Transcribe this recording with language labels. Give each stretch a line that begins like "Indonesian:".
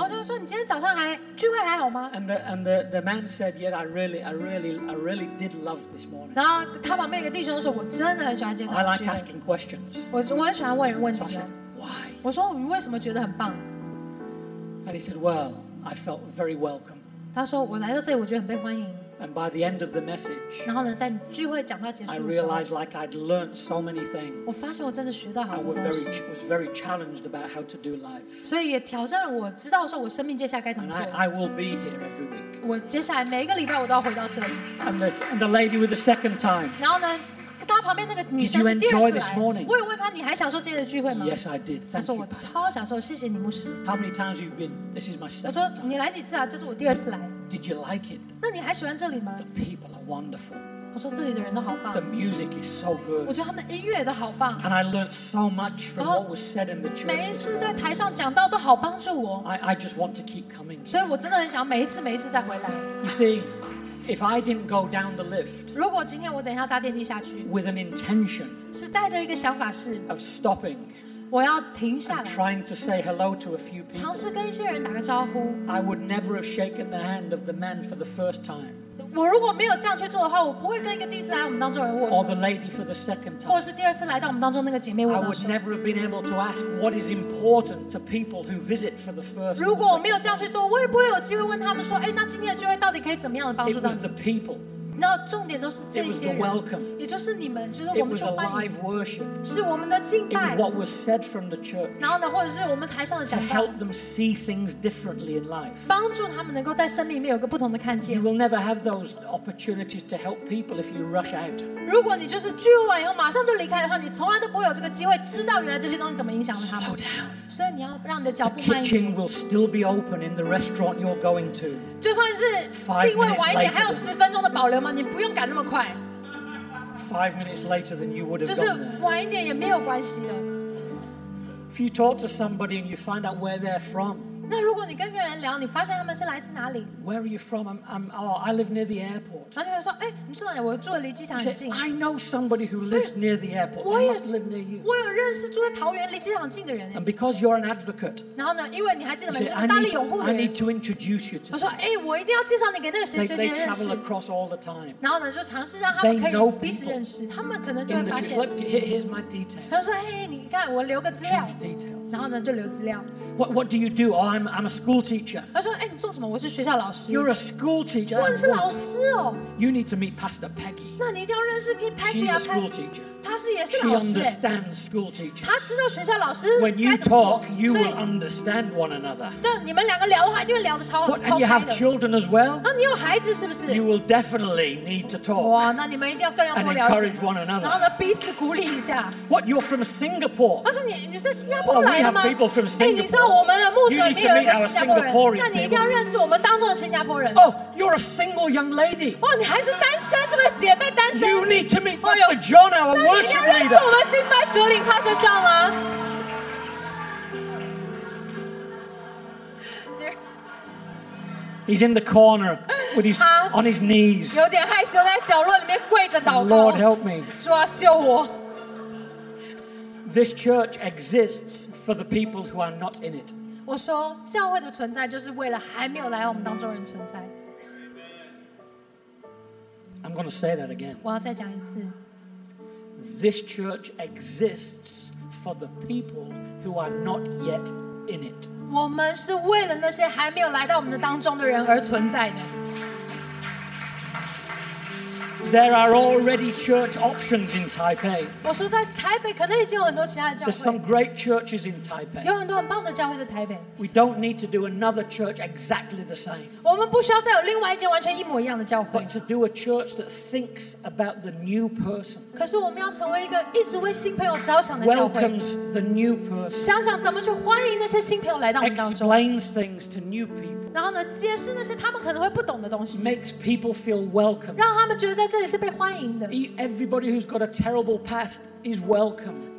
Chinese: 然后就说你今天早上还聚会还好吗
English: ？And the man said, Yeah, I really did love this morning.
Chinese: 然后他旁边一个弟兄说，我真的很喜欢今天早上聚会。
English: I like asking questions.
Chinese: 我很喜欢问人问题的。
English: I said, Why?
Chinese: 我说你为什么觉得很棒？
English: And he said, "Well, I felt very welcome."
Chinese: 他说我来到这里，我觉得很被欢迎。
English: And by the end of the message,
Chinese: 然后呢，在聚会讲到结束
English: ，I realized like I'd learned so many things.
Chinese: 我发现我真的学到好多东西。
English: I was very challenged about how to do life.
Chinese: 所以也挑战了我知道说我生命接下来该怎么做。
English: And I will be here every week.
Chinese: 我接下来每一个礼拜我都要回到这里。
English: And the lady with the second time.
Chinese: 然后呢？他旁边那个女生是第二次来，我也问他，你还享受今天的聚会吗
English: ？Yes, I did.
Chinese: 他说我超享受，谢谢你牧师。
English: How many times have you been? This is my second.
Chinese: 我说你来几次啊？这是我第二次来。
English: Did you like it?
Chinese: 那你还喜欢这里吗
English: ？The people are wonderful.
Chinese: 我说这里的人都好棒。
English: The music is so good.
Chinese: 我觉得他们的音乐都好棒。
English: And I learned so much from what was said in the church.
Chinese: 每一次在台上讲到都好帮助我。
English: I just want to keep coming.
Chinese: 所以我真的很想每一次每一次再回来。
English: You see. If I didn't go down the lift,
Chinese: 如果今天我等一下搭电梯下去
English: with an intention,
Chinese: 是带着一个想法是
English: of stopping,
Chinese: 我要停下来
English: and trying to say hello to a few people,
Chinese: 尝试跟一些人打个招呼
English: I would never have shaken the hand of the man for the first time.
Chinese: 我如果没有这样去做的话，我不会跟一个第一次来我们当中人握手
English: or the lady for the second time,
Chinese: 或是第二次来到我们当中那个姐妹握手
English: I would never have been able to ask what is important to people who visit for the first time.
Chinese: 如果我没有这样去做，我也不会有机会问他们说，哎，那今天的聚会到底可以怎么样的帮助到你
English: It was the people.
Chinese: 那重点都是这些人
English: It was the welcome.
Chinese: 也就是你们，就是我们受欢迎
English: It was alive worship.
Chinese: 是我们的敬拜
English: It was what was said from the church.
Chinese: 然后呢，或者是我们台上的讲道
English: To help them see things differently in life.
Chinese: 帮助他们能够在生命里面有个不同的看见
English: You will never have those opportunities to help people if you rush out.
Chinese: 如果你就是聚会完以后马上就离开的话，你从来都不会有这个机会知道原来这些东西怎么影响了他们
English: Slow down.
Chinese: 所以你要让你的脚步慢一
English: 点。The kitchen will still be open in the restaurant you're going to.
Chinese: 就算是定位晚一点，还有十分钟的保留吗？你不用赶那么快。
English: Five minutes later than you would have gone
Chinese: there. 就是晚一点也没有关系的。
English: If you talk to somebody and you find out where they're from.
Chinese: 那如果你跟一个人聊，你发现他们是来自哪里
English: ？Where are you from? I live near the airport.
Chinese: 然后就说，哎，你住哪里？我住的离机场很近。
English: I know somebody who lives near the airport. They must live near you.
Chinese: 我有认识住在桃园离机场近的人。
English: And because you're an advocate.
Chinese: 然后呢，因为你还记得吗？你是大力拥护的人。
English: I need to introduce you to.
Chinese: 我说，哎，我一定要介绍你给那个谁谁谁认识。
English: They travel across all the time.
Chinese: 然后呢，就尝试让他们可以彼此认识。他们可能就会发现。
English: Here's my details.
Chinese: 他说，哎，你看，我留个资料。
English: Change details.
Chinese: 然后呢，就留资料。
English: What do you do? Oh, I'm a school teacher.
Chinese: 他说，哎，你做什么？我是学校老师。
English: You're a school teacher.
Chinese: 我是老师哦。
English: You need to meet Pastor Peggy.
Chinese: 那你一定要认识 Peggy 啊。
English: She's a school teacher.
Chinese: 她是也是老师。
English: She understands school teachers.
Chinese: 她知道学校老师。
English: When you talk, you will understand one another.
Chinese: 对，你们两个聊的话，一定会聊得超开的。
English: And you have children as well.
Chinese: 那你有孩子是不是
English: ？You will definitely need to talk.
Chinese: 哇，那你们一定要更要多聊。
English: And encourage one another.
Chinese: 然后呢，彼此鼓励一下。
English: What? You're from Singapore.
Chinese: 他说你是新加坡来。
English: We have people from Singapore.
Chinese: 你知道我们的牧者里面有一个新加坡人，那你一定要认识我们当中的新加坡人。
English: Oh, you're a single young lady.
Chinese: 哇，你还是单身，是不是姐妹单身
English: ？You need to meet Pastor John, our worship leader.
Chinese: 那你要认识我们敬拜主领 Pastor John 吗？
English: He's in the corner with his on his knees.
Chinese: 有点害羞，在角落里面跪着祷告。
English: Lord, help me.
Chinese: 主啊，救我。
English: This church exists for the people who are not in it.
Chinese: 我说教会的存在就是为了还没有来我们当中人存在。
English: I'm going to say that again.
Chinese: 我要再讲一次。
English: This church exists for the people who are not yet in it.
Chinese: 我们是为了那些还没有来到我们的当中的人而存在的。
English: There are already church options in Taipei.
Chinese: 我说在台北可能已经有很多其他的教会。
English: There's some great churches in Taipei.
Chinese: 有很多很棒的教会在台北。
English: We don't need to do another church exactly the same.
Chinese: 我们不需要再有另外一间完全一模一样的教会。
English: But to do a church that thinks about the new person.
Chinese: 可是我们要成为一个一直为新朋友着想的教会。
English: Welcomes the new person.
Chinese: 想想怎么去欢迎那些新朋友来到我们当中。
English: Explains things to new people.
Chinese: 然后呢，解释那些他们可能会不懂的东西。
English: Makes people feel welcome.
Chinese: 让他们觉得在这里是被欢迎的。
English: Everybody who's got a terrible past is welcome.